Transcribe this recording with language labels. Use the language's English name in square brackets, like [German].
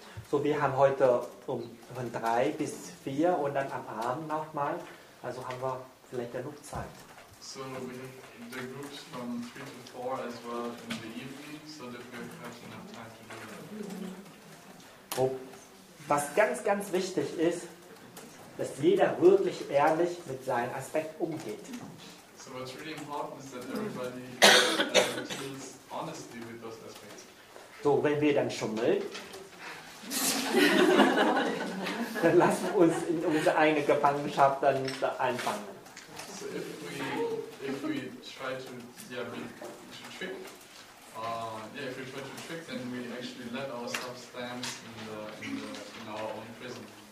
[German] So, wir haben heute von 3 bis 4 und dann am Abend nochmal, also haben wir vielleicht genug Zeit. [English] So, we have the groups from 3 to 4 as well in the evening, so that we have enough time to do that. Oh. [German] Was ganz, ganz wichtig ist, dass jeder wirklich ehrlich mit seinem Aspekt umgeht. [English] So what's really important is that everybody deals honestly with those aspects. [German] So, wenn wir dann schummeln, dann lassen wir uns in unsere eigene Gefangenschaft dann da einfangen. [English] So if we try to trick, then we actually let ourselves stand in our own prison.